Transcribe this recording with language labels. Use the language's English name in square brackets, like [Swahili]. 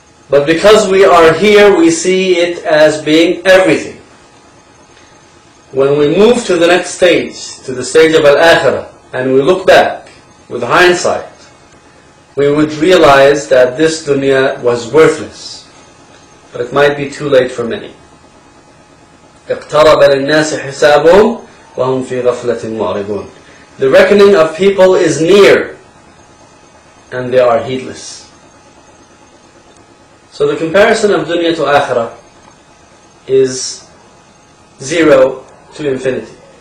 [English] But because we are here, we see it as being everything. When we move to the next stage, to the stage of Al-Akhirah, and we look back with hindsight, we would realize that this dunya was worthless. But it might be too late for many. [Arabic] اقترب للناس حسابهم وهم في غفلة معرضون. [English] The reckoning of people is near, and they are heedless. So the comparison of dunya to akhirah is zero to infinity.